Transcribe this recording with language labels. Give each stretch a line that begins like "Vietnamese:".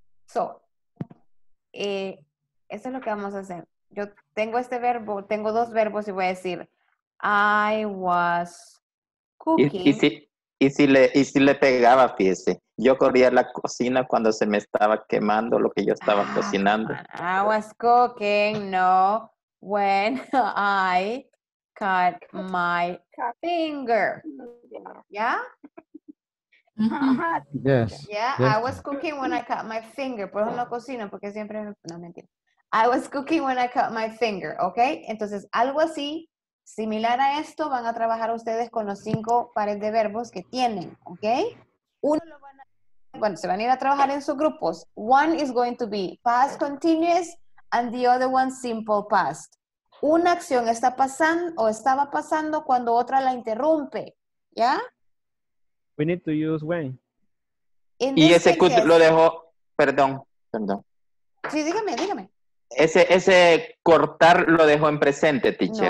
Spanish: So, eso es lo que vamos a hacer. Yo tengo este verbo, tengo dos verbos y voy a decir,
English: I was cooking.
Spanish: ¿Y si le pegaba, fíjese? Yo corría a la cocina cuando se me estaba quemando lo que yo estaba cocinando.
English: I was cooking, no, when I cut my finger.
Spanish: ¿Ya?
English: Yes. Yeah, I was cooking when I cut my finger.
Spanish: Por eso no cocino, porque siempre... No, mentira.
English: I was cooking when I cut my finger,
Spanish: ¿ok? Entonces, algo así, similar a esto, van a trabajar ustedes con los cinco pares de verbos que tienen, ¿ok? Uno lo van a... Bueno, se van a ir a trabajar en sus grupos.
English: One is going to be past continuous and the other one simple past.
Spanish: Una acción está pasando o estaba pasando cuando otra la interrumpe, ¿ya?
English: We need to use when.
Spanish: Y ese could lo dejó... Perdón. Sí, dígame. Ese cortar lo dejó en presente, teacher.